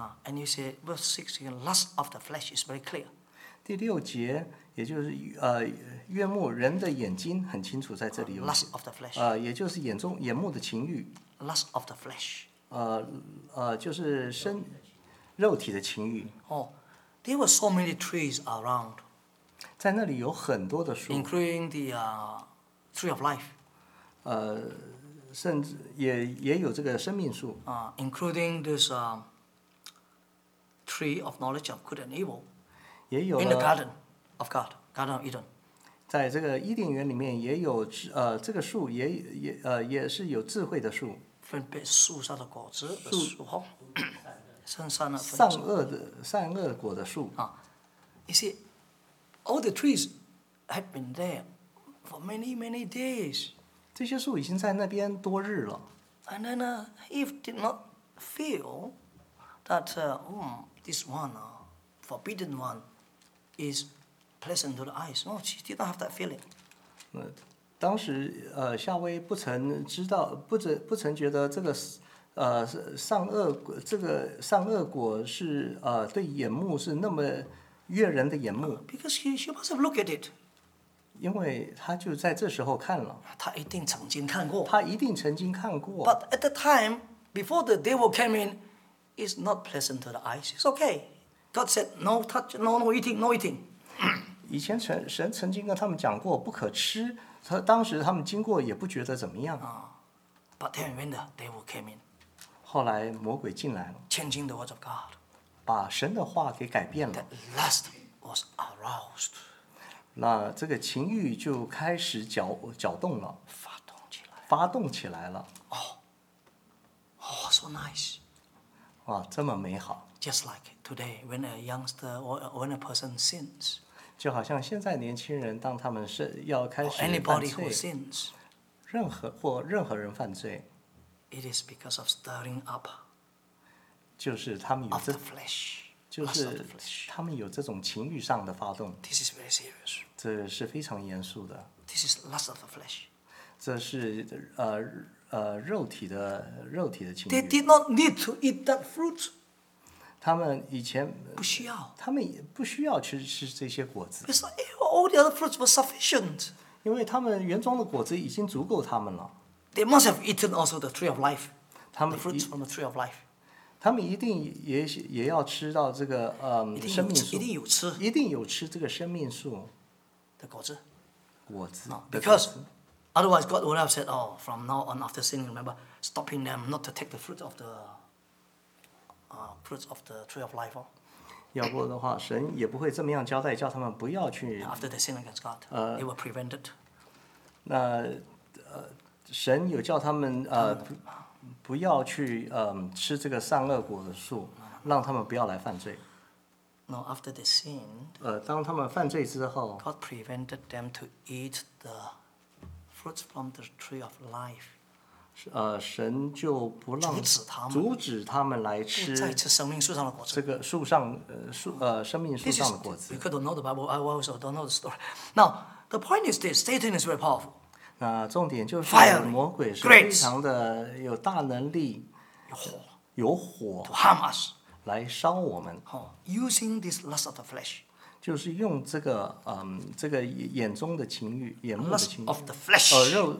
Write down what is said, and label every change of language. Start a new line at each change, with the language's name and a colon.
English: And you see verse 6, you know, lust of the flesh is very clear.
Chinese: 第六节也就是悦目人的眼睛很清楚在这里有
English: Lust of the flesh.
Chinese: 也就是眼目的情欲
English: Lust of the flesh.
Chinese: 就是身肉体的情欲
English: Oh, there were so many trees around.
Chinese: 在那里有很多的树
English: Including the tree of life.
Chinese: 甚至 也有这个生命树
English: Including this tree of knowledge of good and evil.
Chinese: 也有
English: In the garden of God, Garden of Eden.
Chinese: 在这个伊甸园里面也有这个树 也是有智慧的树。分别树上的果子的树后。善恶果的树。
English: You see, all the trees have been there for many, many days.
Chinese: 这些树已经在那边多日了。
English: And then Eve did not feel that this one, forbidden one,is pleasant to the eyes. No, she did not have that feeling.
Chinese: 当时夏威不曾知道不曾觉得这个善恶果是对眼目是那么悦人的眼目。
English: Because she must have looked at it.
Chinese: 因为她就在这时候看了。她一定曾经看过。她一定曾经看过。
English: But at the time, before the devil came in, it's not pleasant to the eyes. It's okay. God said, no touch, no eating, no eating.
Chinese: 以前神曾经跟他们讲过不可吃，当时他们经过也不觉得怎么样。
English: But then when the devil came in,
Chinese: 后来魔鬼进来了，
English: changing the words of God,
Chinese: 把神的话给改变了。
English: That lust was aroused.
Chinese: 那这个情欲就开始搅动了，发动起来，发动起来了。
English: Oh, so nice.
Chinese: 哇，这么美好。
English: Just like today, when a youngster or when a person sins,
Chinese: 就好像现在年轻人当他们是要开始犯罪
English: anybody who sins,
Chinese: 任何人犯罪
English: it is because of stirring up,
Chinese: 就是他们
English: of the flesh,
Chinese: 就是他们有这种情欲上的发动
English: this is very serious,
Chinese: 这是非常严肃的
English: this is lust of the flesh,
Chinese: 这是肉体的情欲
English: they did not need to eat that fruit.
Chinese: 他们以前不需要，他们也不需要吃这些果子。
English: Because all the other fruits were sufficient.
Chinese: 因为他们园中的果子已经足够他们了。
English: They must have eaten also the tree of life.
Chinese: 他们
English: the fruits from the tree of life.
Chinese: 他们一定 也要吃到这个生命树，一定有吃，一定有吃这个生命树的果子。果子。
English: Because otherwise God would have said, "Oh, from now on after sin, remember stopping them not to take the fruit of the." Fruits of the tree of life.
Chinese: 要不的话，神也不会这么样交代，叫他们不要去。
English: After they sinned against God, they were prevented.
Chinese: 那神有叫他们不要去吃这个善恶果的树，让他们不要来犯罪。
English: No, after they sinned.
Chinese: 当他们犯罪之后
English: ，God prevented them to eat the fruits from the tree of life.
Chinese: 神就不让阻止他们来吃生命树上的果子。这个树上生命树上的果子。
English: You could know the Bible, I also don't know the story. Now, the point is this: Satan is very powerful.
Chinese: 那重点就是魔鬼是非常的有大能力，有火
English: to harm us
Chinese: 来烧我们。
English: Using this lust of the flesh,
Chinese: 就是用这个这个眼中的情欲，眼目的情欲
English: of the flesh,